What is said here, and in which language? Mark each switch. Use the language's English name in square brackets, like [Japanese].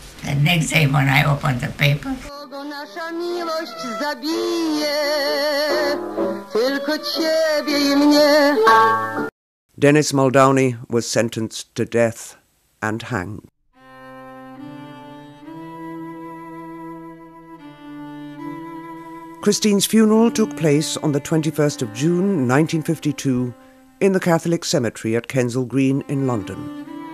[English] The next day when I opened the paper, [Polish] nasza miłość zabije, tylko ciebie i mnie. [English] Dennis Muldowney was sentenced to death and hanged. Christine's funeral took place on the 21st of June 1952 in the Catholic cemetery at Kensal Green in London.